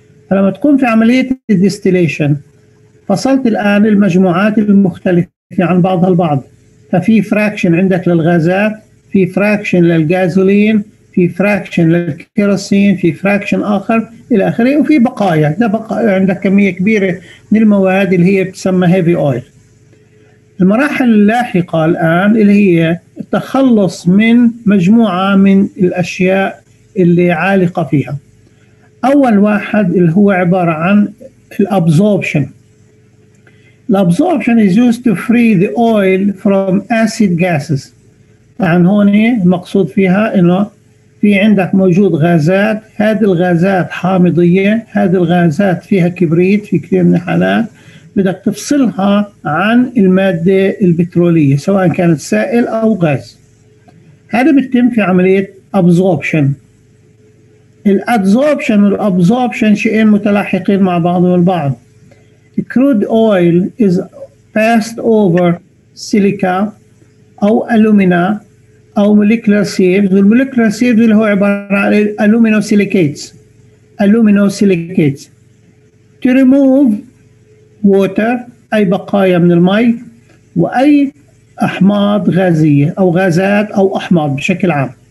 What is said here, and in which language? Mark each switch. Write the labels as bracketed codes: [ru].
[ar] فلما تقوم في عملية الديستيليشن فصلت الآن المجموعات المختلفة عن بعضها البعض، ففي فراكشن عندك للغازات، في فراكشن للغازولين، في فراكشن للكيروسين، في فراكشن آخر إلى آخره، وفي بقايا، ده بقايا عندك كمية كبيرة من المواد اللي هي بتسمى هيفي أويل. المراحل اللاحقة الآن اللي هي التخلص من مجموعة من الأشياء اللي عالقة فيها. أول واحد اللي هو عبارة عن الأبزوربشن. [en] الأبزوربشن is used to free the oil from acid gases. [ar] عن هون مقصود فيها إنه في عندك موجود غازات، هذه الغازات حامضية، هذه الغازات فيها كبريت في كثير من الحالات، بدك تفصلها عن المادة البترولية سواء كانت سائل أو غاز. هذا بيتم في عملية absorption. الadsorption والabsorption شيئين متلاحقين مع بعضهم البعض. [en] The crude oil is passed over silica [ar] أو ألومنا أو [en] molecular sieves. The molecular sieves [ar] اللي هو عبارة عن [en] aluminosilicates. Aluminosilicates. To remove water, [ar] أي بقايا من الماء وأي أحماض غازية أو غازات أو أحماض بشكل عام.